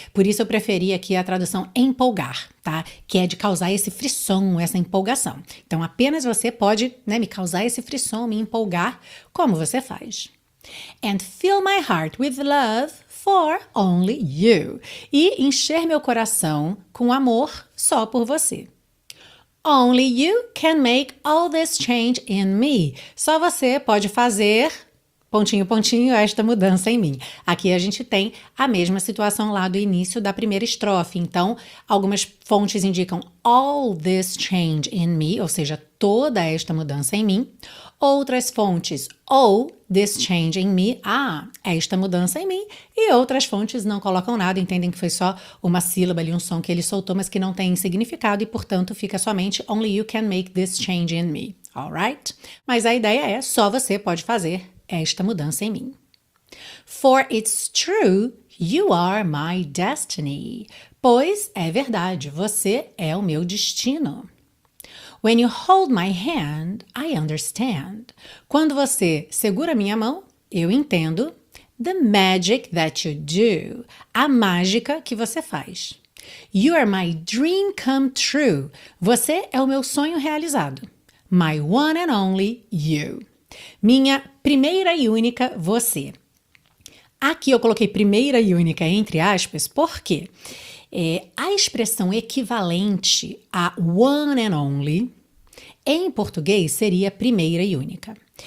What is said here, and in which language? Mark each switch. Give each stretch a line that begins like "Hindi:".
Portuguese: Por isso eu preferi aqui a tradução empolgar, tá? Que é de causar esse frisson, essa empolgação. Então apenas você pode, né, me causar esse frisson, me empolgar, como você faz.
English: And fill my heart with love for only you.
Portuguese: E encher meu coração com amor só por você.
English: Only you can make all this change in me.
Portuguese: Só você pode fazer, pontinho, pontinho, esta mudança em mim. Aqui a gente tem a mesma situação lá do início da primeira estrofe. Então, algumas fontes indicam
English: all this change in me,
Portuguese: ou seja, toda esta mudança em mim. Outras fontes,
English: all this change in me,
Portuguese: ah, esta mudança em mim. E outras fontes não colocam nada, entendem que foi só uma sílaba ali, um som que ele soltou, mas que não tem significado e, portanto, fica somente
English: only you can make this change in me, alright?
Portuguese: Mas a ideia é só você pode fazer esta mudança em mim.
English: For it's true, you are my destiny.
Portuguese: Pois é verdade, você é o meu destino.
English: When you hold my hand, I understand.
Portuguese: Quando você segura minha mão, eu entendo.
English: The magic that you do.
Portuguese: A mágica que você faz.
English: You are my dream come true.
Portuguese: Você é o meu sonho realizado.
English: My one and only you.
Portuguese: Minha primeira e única você. Aqui eu coloquei primeira e única entre aspas, porque a expressão equivalente a
English: one and only
Portuguese: em português seria primeira e única.